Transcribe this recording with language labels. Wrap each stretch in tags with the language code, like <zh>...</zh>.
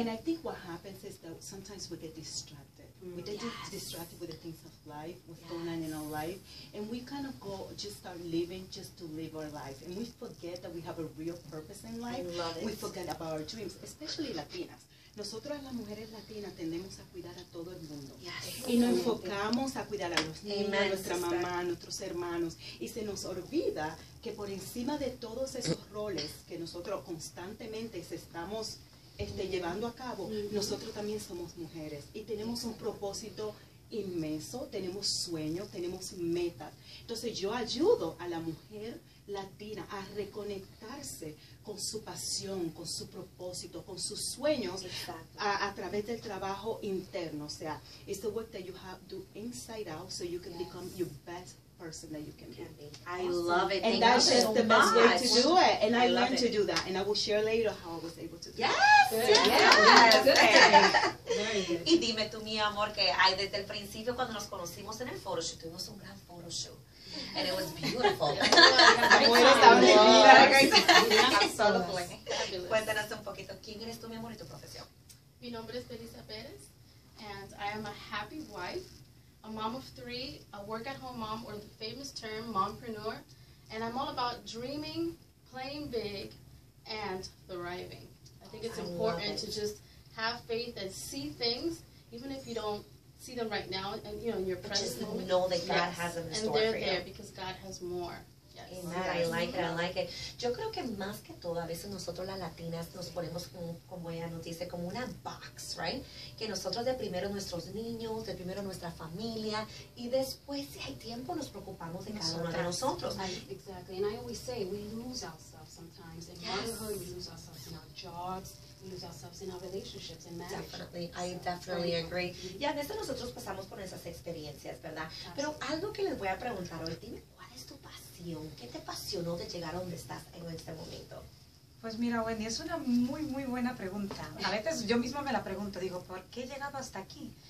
<en>And I think what happens is that sometimes we get distracted. We get distracted with the things of life, what's going on in our life. And we kind of go, just start living just to live our life. And we forget that we have a real purpose in life. I love it. We forget about our dreams, especially Latinas.</en> <es>Nosotras las mujeres latinas tendemos a cuidar a todo el mundo.</es> <en>Yes.</en> <es>Y nos enfocamos a cuidar a los niños,</es> <en>amen,</en> <es>a nuestra mamá, a nuestros hermanos. Y se nos olvida que por encima de todos esos roles que nosotros constantemente estamos llevando a cabo, nosotros también somos mujeres. Y tenemos un propósito inmenso, tenemos sueños, tenemos metas. Entonces yo ayudo a la mujer latina a reconectarse con su pasión, con su propósito, con sus sueños a través del trabajo interno. O sea,</es> <en>it's the work that you have to do inside out so you can yes. become your best person that you can be. I awesome. Love it. And that's just so the much. Best way to do it. And I learned it. To do that. And I will share later how I was able to do yes, it. Yes! Good. Yes! Good.</en> <es>Y dime tú, mi amor, que ay, desde el principio cuando nos conocimos en el photoshoot, tuvimos un gran photoshoot.</es> <en>And it was beautiful.</en> <es>Muy Cuéntanos un poquito. ¿Quién eres tú, mi amor, y tu profesión? Mi nombre es Belisa Pérez,</es> <en>and I am a happy wife, a mom of three, a work-at-home mom, or the famous term, mompreneur, and I'm all about dreaming, playing big, and thriving. I think it's important to just have faith and see things, even if you don't see them right now, and you know, in your present moment. know that God has them in store for you. And they're there because God has more. Amen. I like it, I like it.</en> <es>Yo creo que más que todo, a veces nosotros las latinas nos ponemos como ella nos dice, como una</es> <en>box, right?</en> <es>Que nosotros de primero nuestros niños, de primero nuestra familia, y después si hay tiempo nos preocupamos de cada uno de nosotros.</es> <en>Exactly, and I always say we lose ourselves sometimes in motherhood, we lose ourselves in our jobs, we lose ourselves in our relationships and marriage. Definitely, I definitely agree.</en> <es>Y a veces nosotros pasamos por esas experiencias, ¿verdad?</es> <en>Absolutely.</en> <es>Pero algo que les voy a preguntar hoy, dime, ¿cuál es tu pasión? ¿Qué te apasionó de llegar a donde estás en este momento? Pues mira, Wendy, es una muy, muy buena pregunta. A veces yo misma me la pregunto, digo, ¿por qué he llegado hasta aquí?</es>